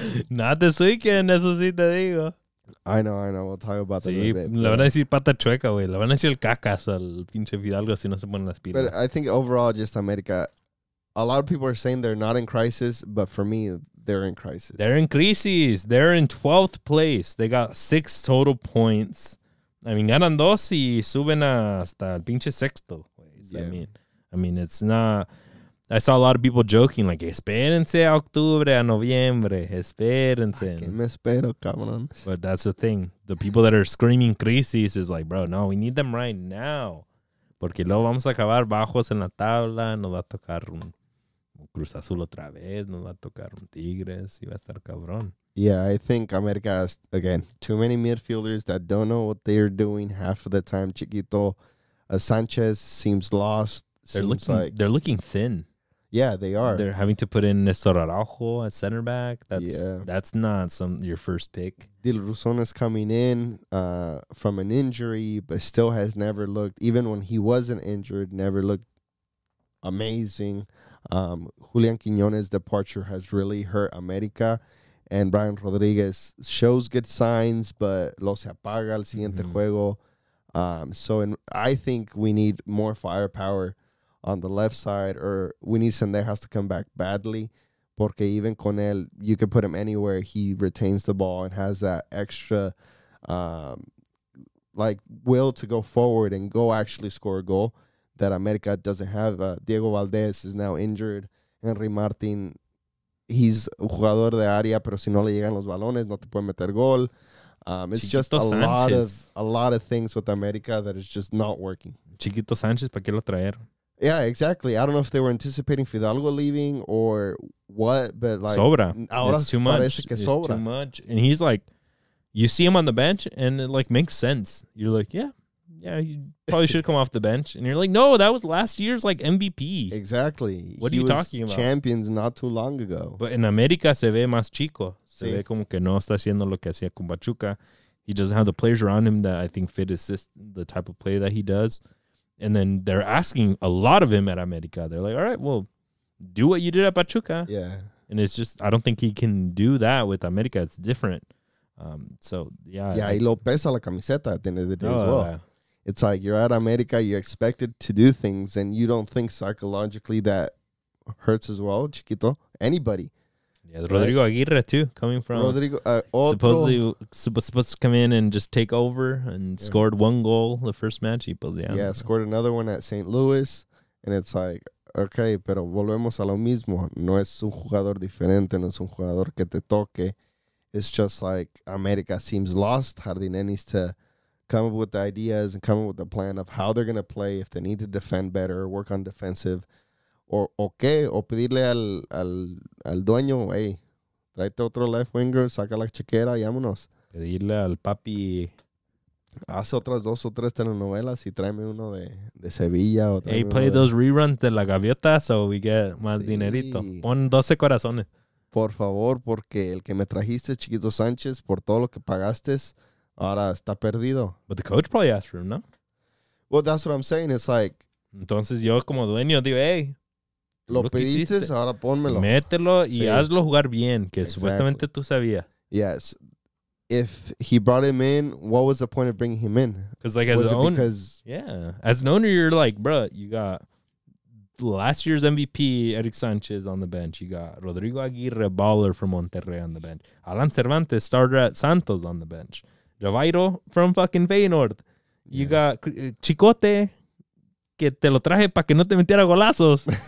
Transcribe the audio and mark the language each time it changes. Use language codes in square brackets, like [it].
[en] not this weekend, [es] eso sí te digo. [en] I know. We'll talk about that a bit. [es] Le van a decir pata chueca, güey. Le van a decir el cacas al pinche Fidalgo si no se ponen las pilas. [en] But I think overall, just America, a lot of people are saying they're not in crisis, but for me, they're in crisis. They're in crisis. They're in 12th place. They got 6 total points. I mean, [es] ganan dos y suben hasta el pinche sexto. [en] Yeah. I mean, it's not... I saw a lot of people joking, like, [es] espérense a octubre, a noviembre, espérense. ¿A qué me espero, cabrón? [en] But that's the thing. The people that are screaming crisis is like, bro, no, we need them right now. [es] Porque luego vamos a acabar bajos en la tabla, nos va a tocar un Cruz Azul otra vez, nos va a tocar un Tigres, y va a estar cabrón. [en] Yeah, I think America has, again, too many midfielders that don't know what they're doing half of the time. Chiquito, Sanchez seems lost. They're looking thin. Yeah, they are. They're having to put in Nestor Araujo at center back. That's not your first pick. Dil Ruzon is coming in from an injury, but still has never looked, even when he wasn't injured, never looked amazing. Julian Quiñones' departure has really hurt America. And Brian Rodriguez shows good signs, but [es] lo se apaga el siguiente juego. [en] I think we need more firepower on the left side, or we need Sendejas to come back badly, porque even [es] con él, [en] you can put him anywhere, he retains the ball and has that extra will to go forward and go actually score a goal that America doesn't have. Diego Valdez is now injured. [es] Henry Martin, [en] he's a [es] jugador de área, pero si no le llegan los balones, no te puede meter gol. [en] It's just a lot of things with America that is just not working. Chiquito Sánchez, ¿para qué lo trajeron? Yeah, exactly. I don't know if they were anticipating Fidalgo leaving or what, but like... [es] Sobra. Ahora [en] it's too much. [es] Parece que sobra. [en] It's too much. And he's like, you see him on the bench and it like makes sense. You're like, yeah, you probably should come off the bench. And you're like, no, that was last year's like MVP. Exactly. What are you talking about? Champions not too long ago. But in [es] America se ve más chico. Se ve como que no está haciendo lo que hacía con Pachuca. [en] He doesn't have the players around him that I think fit assist the type of play that he does. And then they're asking a lot of him at America. They're like, all right, well, do what you did at Pachuca. Yeah. And it's just, I don't think he can do that with America. It's different. Yeah, [es] y lo pesa la camiseta [en] at the end of the day as well. Yeah. It's like you're at America, you're expected to do things, and you don't think psychologically that hurts as well, Chiquito, anybody. Yeah, right? Rodrigo Aguirre, too, coming from. Rodrigo, supposed to come in and just take over and scored one goal the first match. Yeah, scored another one at St. Louis. And it's like, okay, [es] pero volvemos a lo mismo. No es un jugador diferente, no es un jugador que te toque. [en] It's just like America seems lost. Jardín needs to come up with the ideas and come up with a plan of how they're going to play, if they need to defend better, work on defensive. [es] O pedirle al dueño, hey, tráete otro left winger, saca la chequera y vámonos. Pedirle al papi. Haz otras dos o tres telenovelas y tráeme uno de Sevilla. O [en] hey, play those reruns de La Gaviota so we get [es] más dinerito. Pon 12 corazones. Por favor, porque el que me trajiste, Chiquito Sánchez, por todo lo que pagaste, ahora está perdido. [en] But the coach probably asked for him, no? Well, that's what I'm saying. It's like... [es] Entonces yo como dueño digo, hey... Lo pediste, ahora pónmelo. Mételo y hazlo jugar bien, que supuestamente tú sabías. [en] Yes. If he brought him in, what was the point of bringing him in? Because like as an owner, as an owner, you're like, bro, you got last year's MVP, Eric Sanchez, on the bench. You got Rodrigo Aguirre, baller from Monterrey, on the bench. Alan Cervantes, starter at Santos, on the bench. Javairo from fucking Feyenoord. You got Chicote. [es] Que te lo traje para que no te metiera golazos.